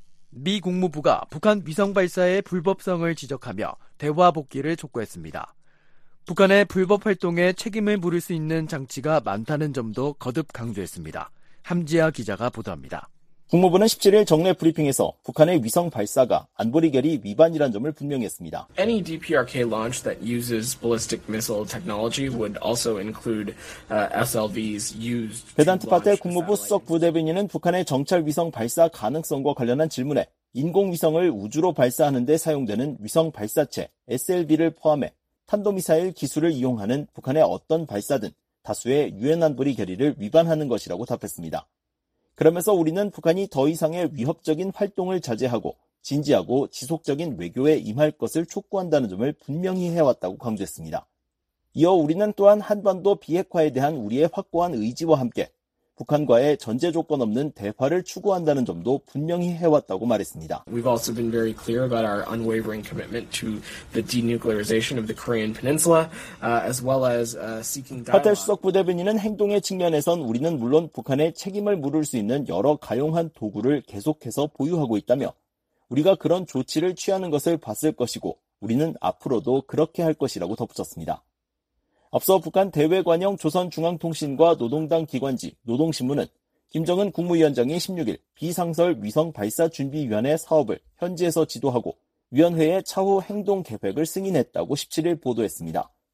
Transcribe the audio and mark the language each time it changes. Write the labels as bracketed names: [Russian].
[Korean] 미 국무부가 북한 위성발사의 불법성을 지적하며 대화 복귀를 촉구했습니다. 북한의 불법 활동에 책임을 물을 수 있는 장치가 많다는 점도 거듭 강조했습니다. 함지아 기자가 보도합니다. 국무부는 17일 정례 브리핑에서 북한의 위성 발사가 안보리 결의 위반이라는 점을 분명히 했습니다. [English] Any DPRK launch that uses ballistic missile technology would also include SLVs used. [Korean] 베단트 파텔 국무부 수석 부대변인은 북한의 정찰 위성 발사 가능성과 관련한 질문에 인공위성을 우주로 발사하는 데 사용되는 위성 발사체 SLV를 포함해 탄도미사일 기술을 이용하는 북한의 어떤 발사든 다수의 유엔 안보리 결의를 위반하는 것이라고 답했습니다. 그러면서 우리는 북한이 더 이상의 위협적인 활동을 자제하고 진지하고 지속적인 외교에 임할 것을 촉구한다는 점을 분명히 해왔다고 강조했습니다. 이어 우리는 또한 한반도 비핵화에 대한 우리의 확고한 의지와 함께 북한과의 전제 조건 없는 대화를 추구한다는 점도 분명히 해왔다고 말했습니다. [English] We've also been very clear about our unwavering commitment to the denuclearization of the Korean Peninsula, as well as seeking dialogue. [Korean] 파텔 수석 부대변인은 행동의 측면에선 우리는 물론 북한에 책임을 물을 수 있는 여러 가용한 도구를 계속해서 보유하고 있다며 우리가 그런 조치를 취하는 것을 봤을 것이고 우리는 앞으로도 그렇게 할 것이라고 덧붙였습니다. 앞서 북한 대외관영 조선중앙통신과 노동당 기관지 노동신문은 김정은 국무위원장이 16일 비상설 위성발사준비위원회 사업을 현지에서 지도하고 위원회의 차후 행동 계획을 승인했다고 17일 보도했습니다.